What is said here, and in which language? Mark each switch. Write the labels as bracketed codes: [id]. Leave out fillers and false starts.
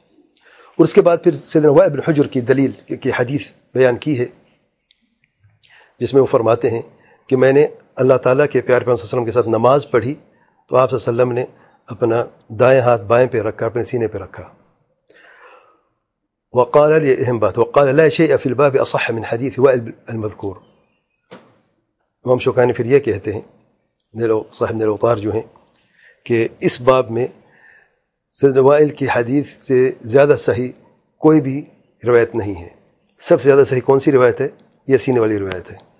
[ur] اور اس کے بعد پھر سیدنا وائل بن حجر کی دلیل کی حدیث بیان کی ہے جس میں وہ فرماتے ہیں کہ میں نے اللہ تعالیٰ کے پیارے پیغمبر صلی اللہ علیہ وسلم کے ساتھ نماز پڑھی تو آپ صلی اللہ علیہ وسلم نے اپنا دائیں ہاتھ بائیں پہ رکھا, اپنے سینے پہ رکھا. [ar] وقال لي [ur] اهم بات [ar] وقال لا شيء في الباب اصح من حديث وائل المذكور. [ur] امام شوکانی پھر یہ کہتے ہیں صاحب نے الاوطار جو ہیں کہ اس باب میں سیدنا وائل کی حدیث سے زیادہ صحیح کوئی بھی روایت نہیں ہے. سب سے زیادہ صحیح کون سی روایت ہے؟ یہ سینے والی روایت ہے.